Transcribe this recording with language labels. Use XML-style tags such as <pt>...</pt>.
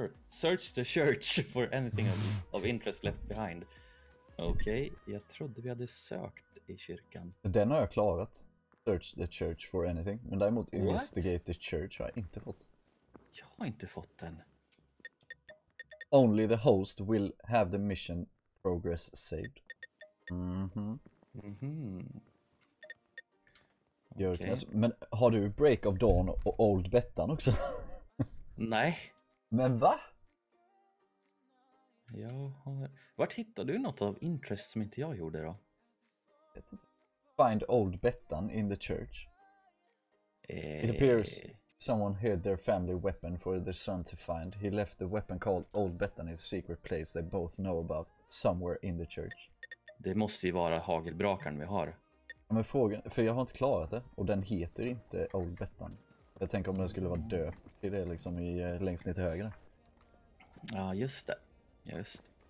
<en>Search the church for anything of interest left behind.</en> <sv>Okej, okay, jag trodde vi hade sökt i kyrkan. Den har jag klarat.</sv> <en>Search the church for anything.</en> <sv>Men däremot</sv> <en>investigate the church</en> <sv>har jag inte fått. Jag har inte fått den.</sv> <en>Only the host will have the mission progress saved. Okay.</en> <sv>Men har du Break of Dawn och Old Bettan också? Nej. Men va? Jag har... Vart hittade du något av interest som inte jag gjorde då?</sv> <en>Find Old Bettan in the church. It appears someone hid their family weapon for their son to find. He left the weapon called Old Bettan in a secret place they both know about somewhere in the church.</en> <sv>Det måste ju vara hagelbrakaren vi har. Men frågan, för jag har inte klarat det, och den heter inte Old Bettan. Jag tänker om den skulle vara döpt till det liksom i längst ner till höger. Ja, just det. Just.</sv>